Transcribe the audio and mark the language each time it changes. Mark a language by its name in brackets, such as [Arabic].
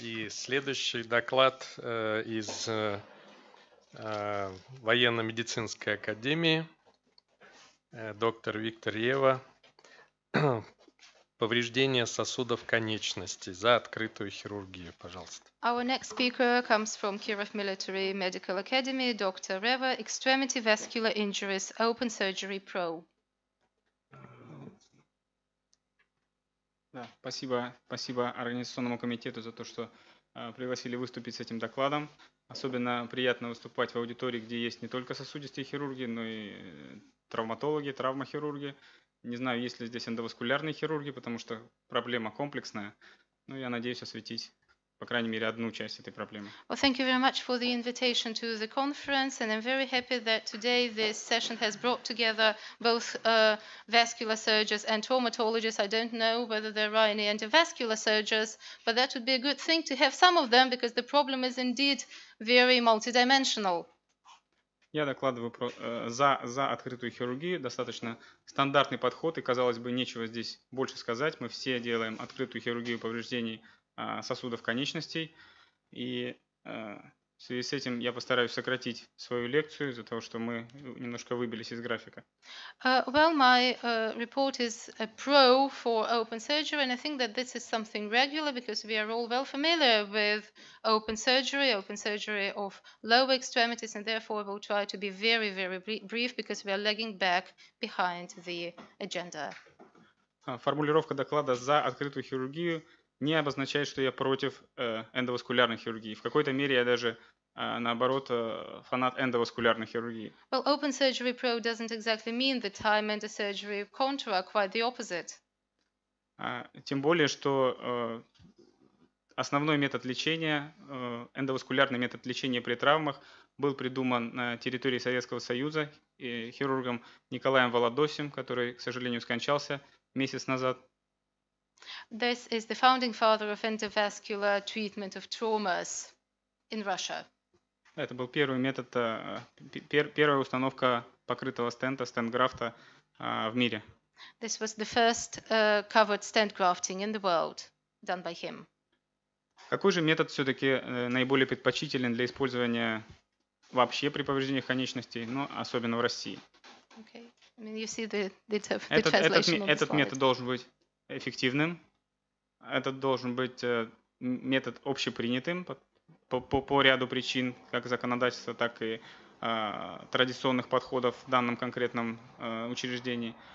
[Russian] следующий доклад из военно-медицинской академии. Доктор Виктор Ева. Повреждение сосудов конечностей за открытую хирургию, пожалуйста. [English] Our next speaker comes from Kirov Military Medical Academy, Dr. Reva, Extremity Vascular Injuries, Open Surgery Pro. [Russian] Да, спасибо организационному комитету за то, что пригласили выступить с этим докладом. Особенно приятно выступать в аудитории, где есть не только сосудистые хирурги, но и травматологи, травмохирурги. Не знаю, есть ли здесь эндоваскулярные хирурги, потому что проблема комплексная. Но я надеюсь осветить, по крайней мере, одну часть этой проблемы. [English] Well, thank you very much for the invitation to the conference, and I'm very happy that today this session has brought together both vascular surgeons and traumatologists. I don't know whether there are any endovascular surgeons, but that would be a good thing to have some of them, because the problem is indeed very multidimensional. [Russian] Я докладываю за открытую хирургию, достаточно стандартный подход, и, казалось бы, нечего здесь больше сказать. Мы все делаем открытую хирургию повреждений сосудов конечностей, и в связи с этим я постараюсь сократить свою лекцию из-за того, что мы немножко выбились из графика. [English] Well, my report is a pro for open surgery, and I think that this is something regular, because we are all well familiar with open surgery of lower extremities, and therefore we'll try to be very, very brief, because we are lagging back behind the agenda. [Russian] Формулировка доклада за открытую хирургию не обозначает, что я против эндоваскулярной хирургии. В какой-то мере я даже, наоборот, фанат эндоваскулярной хирургии. [English] Well, open surgery pro doesn't exactly mean that I'm endo surgery contra, quite the opposite. [Russian] Тем более, что основной метод лечения, эндоваскулярный метод лечения при травмах, был придуман на территории Советского Союза хирургом Николаем Володосем, который, к сожалению, скончался месяц назад. [English] This is the founding father of endovascular treatment of traumas in Russia. [Russian] Это был первый метод, первая установка покрытого стента, стент графта в мире. [English] This was the first covered stent grafting in the world done by him. [Russian] Какой же метод все-таки наиболее предпочтителен для использования вообще при повреждениях конечностей, но особенно в России? [English] Okay. I mean, you see the translation. [Russian] Этот метод должен быть эффективным. Это должен быть метод общепринятым по ряду причин, как законодательства, так и традиционных подходов в данном конкретном учреждении.